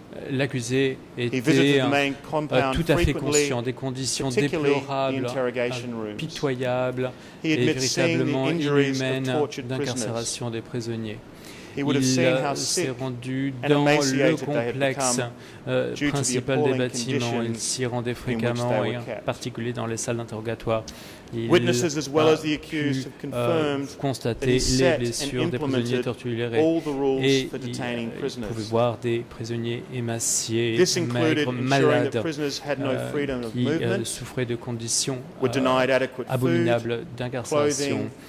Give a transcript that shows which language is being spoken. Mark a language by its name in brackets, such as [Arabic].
[French] L'accusé était tout à fait conscient des conditions déplorables, pitoyables et véritablement inhumaines d'incarcération des prisonniers. Il s'est rendu dans le complexe principal des bâtiments. Il s'y rendait fréquemment, et en particulier dans les salles d'interrogatoire. [English] Witnesses as well as the accused have confirmed [French] constater les blessures des prisonniers torturés et pouvait voir des prisonniers émaciés, maigres, malades, qui souffraient de conditions abominables d'incarcération.